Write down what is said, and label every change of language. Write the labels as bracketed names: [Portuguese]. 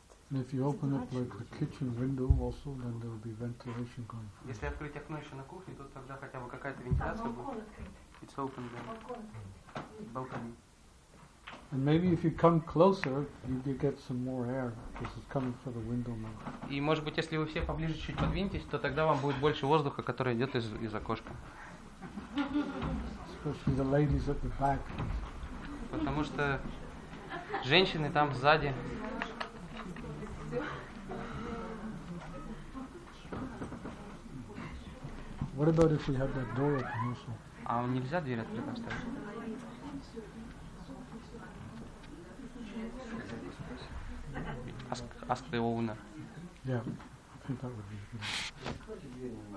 [English] And if you open up like the kitchen window also, then there will be ventilation going. [Russian] Если открыть окно еще на кухне, то тогда хотя бы какая-то вентиляция будет. [English] It's open there. Balcony. And maybe if you come closer, you get some more air because it's coming through the window now. [Russian] И может быть, если вы все поближе чуть подвиньтесь, то тогда вам будет больше воздуха, который идет из окошка. [English] Especially the ladies at the back. [Russian] Потому что женщины там сзади. [English] What about if we have that door open also? [Russian] А нельзя дверь открыть оставить? [English] Ask the owner. Yeah, I think that would be good.